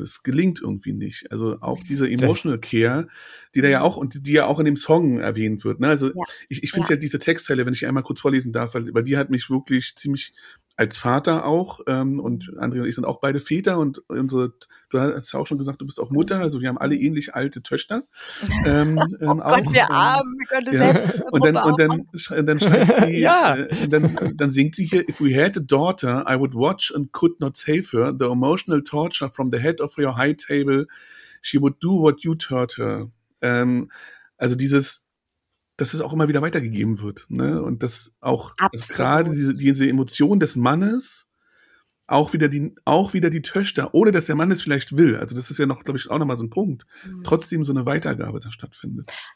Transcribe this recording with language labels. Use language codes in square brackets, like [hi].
[de] Es gelingt irgendwie nicht. Also auch dieser Emotional Care, die ja auch in dem Song erwähnt wird. Ne? Also ich finde diese Textzeile, wenn ich einmal kurz vorlesen darf, weil die hat mich wirklich ziemlich als Vater auch, und André und ich sind auch beide Väter und unsere, du hast ja auch schon gesagt, du bist auch Mutter, also wir haben alle ähnlich alte Töchter. Dann singt sie hier, [en] if we had a daughter, I would watch and could not save her, the emotional torture from the head of your high table, she would do what you taught her. [de] Also dieses, dass es auch immer wieder weitergegeben wird. Ne? Und dass auch gerade diese Emotion des Mannes auch wieder die Töchter, ohne dass der Mann es vielleicht will. Also das ist ja noch, glaube ich, auch nochmal so ein Punkt. Trotzdem so eine Weitergabe da stattfindet.